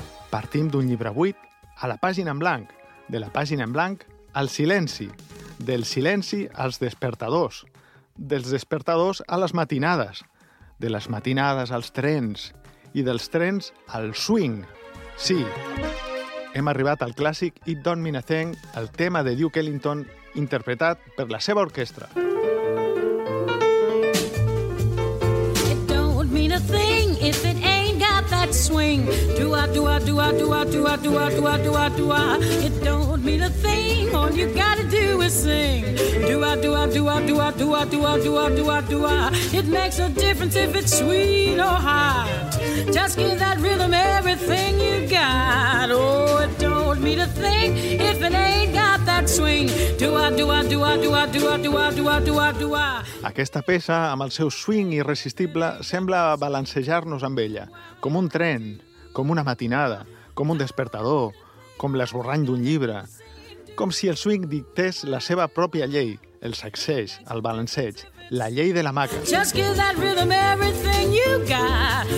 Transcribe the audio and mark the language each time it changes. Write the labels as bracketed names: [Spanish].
[Catalan] Partim d'un llibre buit a la pàgina en blanc, de la pàgina en blanc al silenci, del silenci als despertadors, dels despertadors a les matinades, de les matinades als trens i dels trens al swing. Sí, hem arribat al clàssic It Don't Mean a Thing, el tema de Duke Ellington interpretat per la seva orquestra. [English] It don't mean a thing if it ain't got that swing. Do-a, do-a, do-a, do-a, do-a, do-a, do-a, do-a, do-a. It don't mean a thing, all you gotta do is sing. Do-a, do-a, do-a, do-a, do-a, do-a, do-a, do-a, do-a. It makes a difference if it's sweet or hot. Just give that rhythm everything you got. Oh, it don't mean a thing if it ain't got that swing. Do-a, do-a, do-a, do-a, do-a, do-a, do-a, do-a, do-a. [Catalan] Aquesta peça, amb el seu swing irresistible, sembla balancejar-nos amb ella, com un tren, com una matinada, com un despertador, com l'esborrany d'un llibre, com si el swing dictés la seva pròpia llei, el sacseig, el balanceig, la llei de la maca. [English] Just give that rhythm everything you got.